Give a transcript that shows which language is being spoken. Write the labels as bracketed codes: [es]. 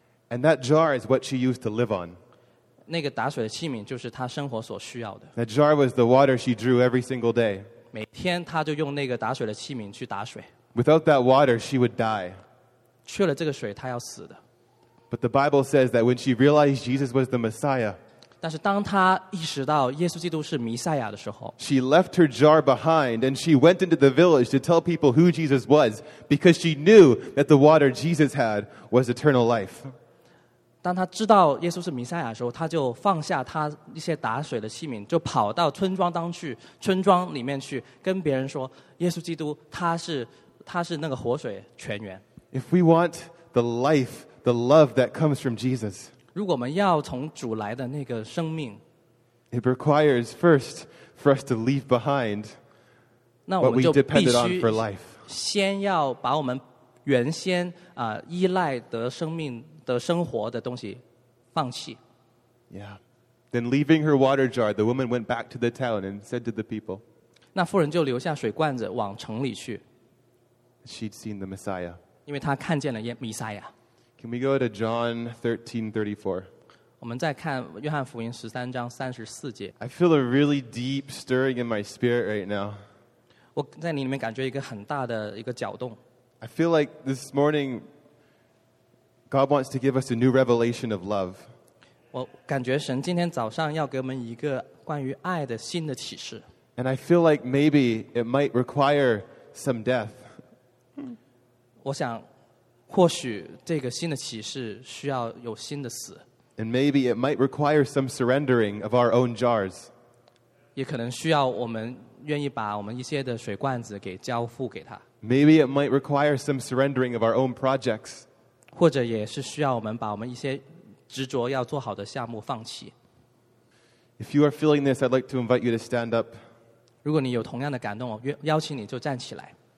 [en] And that jar is what she used to live on. [zh] 那个打水的器皿就是她生活所需要的。 [en] That jar was the water she drew every single day. [zh] 每天她就用那个打水的器皿去打水。 [en] Without that water, she would die. [zh] 缺了这个水，她要死的。 [en] But the Bible says that when she realized Jesus was the Messiah, [zh] 但是当她意识到耶稣基督是弥赛亚的时候， [en] she left her jar behind and she went into the village to tell people who Jesus was because she knew that the water Jesus had was eternal life. [zh] 当她知道耶稣是弥赛亚的时候，她就放下她一些打水的器皿，就跑到村庄当去，村庄里面去跟别人说，耶稣基督他是那个活水泉源。 [en] If we want the life, the love that comes from Jesus, [zh] 如果我们要从主来的那个生命， [en] it requires first for us to leave behind what we depended on for life. [zh] 先要把我们原先依赖的生命的生活的东西放弃。 [en] Yeah. Then leaving her water jar, the woman went back to the town and said to the people, [zh] 那妇人就留下水罐子往城里去。 [en] She'd seen the Messiah. [zh] 因为她看见了弥赛亚。 [en] Can we go to John 13:34? [zh] 我们再看约翰福音十三章三十四节。 [en] I feel a really deep stirring in my spirit right now. [zh] 我在你里面感觉一个很大的一个搅动。 [en] I feel like this morning, God wants to give us a new revelation of love. [zh] 我感觉神今天早上要给我们一个关于爱的新的启示。 [en] And I feel like maybe it might require some death. [zh] 我想或许这个新的启示需要有新的死。 [en] And maybe it might require some surrendering of our own jars. [zh] 也可能需要我们愿意把我们一些的水罐子给交付给他。 [en] Maybe it might require some surrendering of our own projects. [zh] 或者也是需要我们把我们一些执着要做好的项目放弃。 [en] If you are feeling this, I'd like to invite you to stand up. [zh] 如果你有同样的感动, 邀请你就站起来。